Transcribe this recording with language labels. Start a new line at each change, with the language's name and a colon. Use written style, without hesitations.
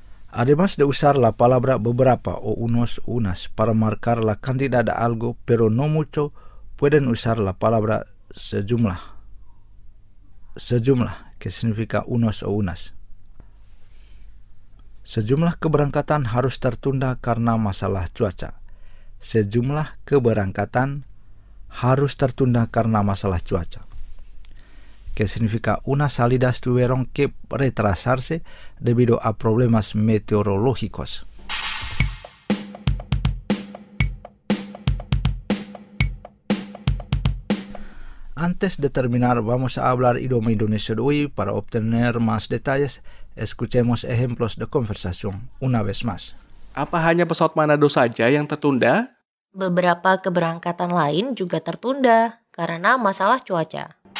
Spanish: Además de usar la palabra beberapa o unos unas para marcar la cantidad de algo, pero no mucho, pueden usar la palabra sejumlah. Sejumlah, que significa unos o unas.
Indonesian: Sejumlah keberangkatan harus tertunda karena masalah cuaca. Sejumlah keberangkatan harus tertunda karena masalah cuaca.
Spanish: Que significa unas salidas tuvieron que retrasarse debido a problemas meteorológicos. Antes de terminar, vamos a hablar idioma indonesio de hoy. Para obtener más detalles, escuchemos ejemplos de conversación una vez más.
Indonesian: Apa hanya pesawat Manado saja yang tertunda? Beberapa keberangkatan lain juga tertunda karena masalah cuaca.